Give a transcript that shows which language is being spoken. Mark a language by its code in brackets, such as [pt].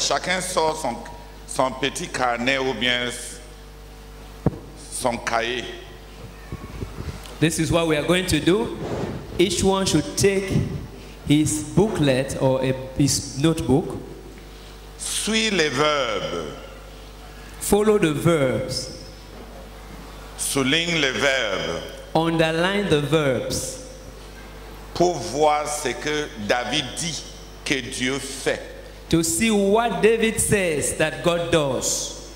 [fr] Chacun sort son petit carnet ou bien son cahier. [en] This is what we are going to do. Each one should take his booklet or his notebook. [fr] Suis les verbes. [en] Follow the verbs. [fr] Souligne les verbes. [en] Underline the verbs. [fr] Pour voir ce que David dit que Dieu fait. [en] To see what David says that God does.